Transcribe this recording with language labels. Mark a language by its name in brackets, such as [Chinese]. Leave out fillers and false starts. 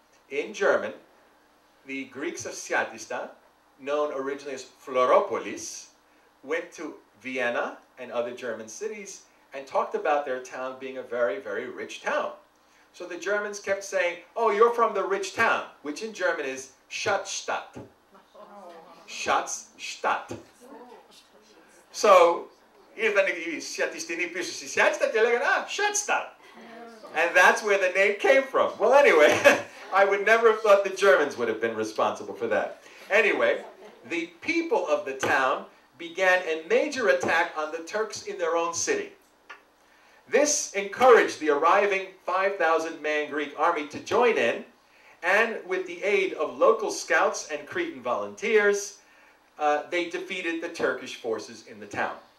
[English] In German, the Greeks of Shatista, known originally as Floropolis, went to Vienna and other German cities and talked about their town being a very, very rich town. So the Germans kept saying, oh, you're from the rich town, which in German is Schatzstadt. Schatzstadt. [Greek] So, ήρθαν οι Σιατιστινοί πίσω στη Σιατστα και λέγανε, ah, Schatzstadt. [English] And that's where the name came from. Well, anyway, I would never have thought the Germans would have been responsible for that. Anyway, the people of the town began a major attack on the Turks in their own city. This encouraged the arriving 5,000-man Greek army to join in, and with the aid of local scouts and Cretan volunteers, they defeated the Turkish forces in the town.